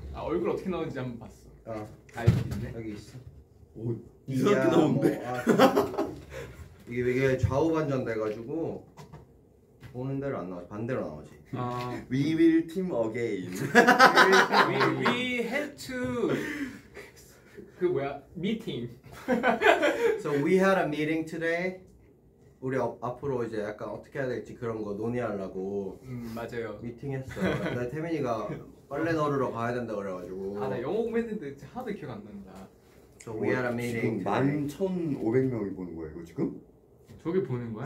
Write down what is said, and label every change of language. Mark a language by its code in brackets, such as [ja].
[ko] 아 얼굴 어떻게 나오는지 한번 봤어. 아 알 수 있네. 여기 있어. 오 이상하게 나오는데. 이게 되게 좌우반전 돼가지고 보는 대로 안 나오지 반대로 나오지. 아. [en] We will team again. we had to [ko] 그 뭐야 [en] meeting. So we had a meeting today. [ko] 우리 앞으로 이제 약간 어떻게 해야 될지 그런 거 논의하려고. 맞아요. 미팅했어. 나 태민이가 빨래 널으러 가야 된다 그래가지고. 아 나 영어 공부했는데 하도 기억 안 난다. [en] So we had a meeting. [ko] 지금 11,500명이 보는 거야 이거 지금? 저게 보는 거야?